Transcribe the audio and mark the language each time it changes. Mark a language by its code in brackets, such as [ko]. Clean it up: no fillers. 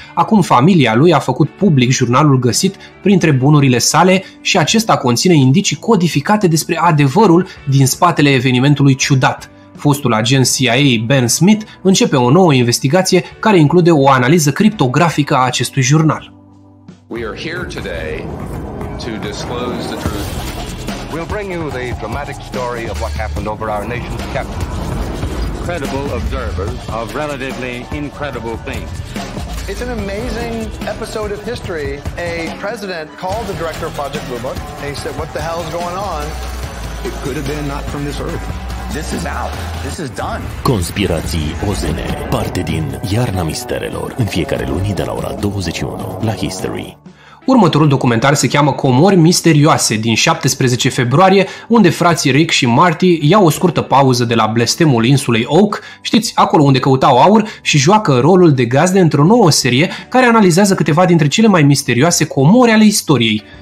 [ro] Acum familia lui a făcut public jurnalul găsit printre bunurile sale și acesta conține indicii codificate despre adevărul din spatele evenimentului ciudat. Fostul agent CIA Ben Smith începe o nouă investigație care include o analiză criptografică a acestui jurnal. [en] We are here today to disclose the truth. We'll bring you the dramatic story of what happened over our nation's capital. Credible observers of relatively incredible things. It's an amazing episode of history. A president called the director of Project Blue Book and he said, what the hell is going on? It could have been not from this earth. This is out. This is done. [ro] Conspirații OZN, parte din Iarna Misterelor, în fiecare luni de la ora 21, la History. Următorul documentar se cheamă Comori Misterioase din 17 februarie, unde frații Rick și Marty iau o scurtă pauză de la blestemul insulei Oak, știți, acolo unde căutau aur, și joacă rolul de gazde într-o nouă serie care analizează câteva dintre cele mai misterioase comori ale istoriei.